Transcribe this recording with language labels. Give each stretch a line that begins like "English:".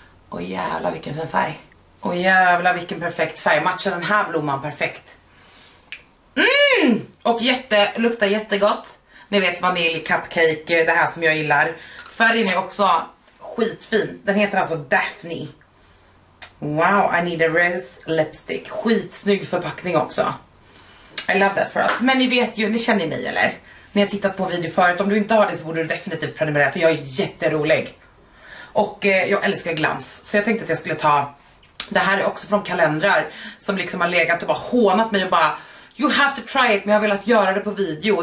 Swedish: Åh jävla vilken fin färg. Och jävla vilken perfekt färg. Matchar den här blomman perfekt. Mm! Och jätte, luktar jättegott. Ni vet vanilj, cupcake, det här som jag gillar. Färgen är också skitfin. Den heter alltså Daphne.
English: Wow, I need a rose lipstick.
Swedish: Skitsnygg förpackning också.
English: I love that for us.
Swedish: Men ni vet ju, ni känner mig eller? Ni har tittat på video förut. Om du inte har det så borde du definitivt prenumerera. För jag är jätterolig. Och jag älskar glans. Så jag tänkte att jag skulle ta... Det här är också från kalendrar som liksom har legat och bara hånat mig och bara
English: you have to try it,
Swedish: men jag vill att göra det på video.